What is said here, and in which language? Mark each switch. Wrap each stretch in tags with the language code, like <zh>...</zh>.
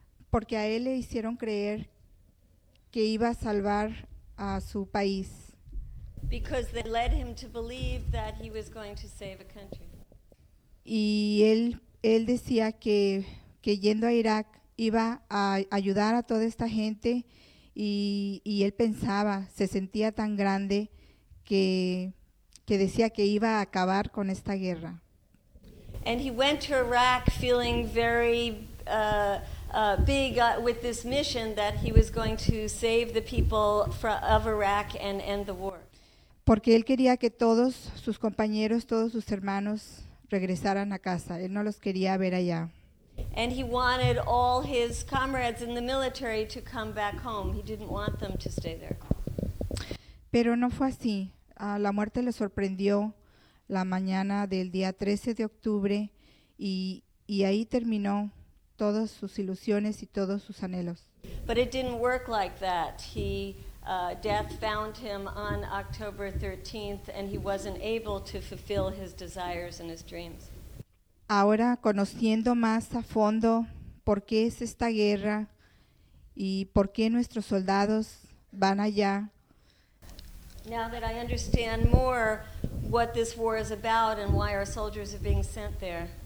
<es>Porque a él le hicieron creer que iba a salvar a su país.</es> <en>Because they led him to believe that he was going to save a country.</en> <es>Y él decía que yendo a Irak iba a ayudar a toda esta gente, y él pensaba, se sentía tan grande que decía que iba a acabar con esta guerra.</es> <en>And he went to Iraq feeling very big with this mission that he was going to save the people of Iraq and end the war.</en> <es>Porque él quería que todos sus compañeros, todos sus hermanos regresaran a casa. Él no los quería ver allá.</es> <en>And he wanted all his comrades in the military to come back home. He didn't want them to stay there.</en> <es>Pero no fue así. La muerte le sorprendió la mañana del día 13 de octubre, y ahí terminó todas sus ilusiones y todos sus anhelos.</es> <en>But it didn't work like that. Death found him on October 13th, and he wasn't able to fulfill his desires and his dreams.</en> <es>Ahora, conociendo más a fondo por qué es esta guerra ¿Y por qué nuestros soldados van allá?</es> <en>Now that I understand more what this war is about and why our soldiers are being sent there.</en>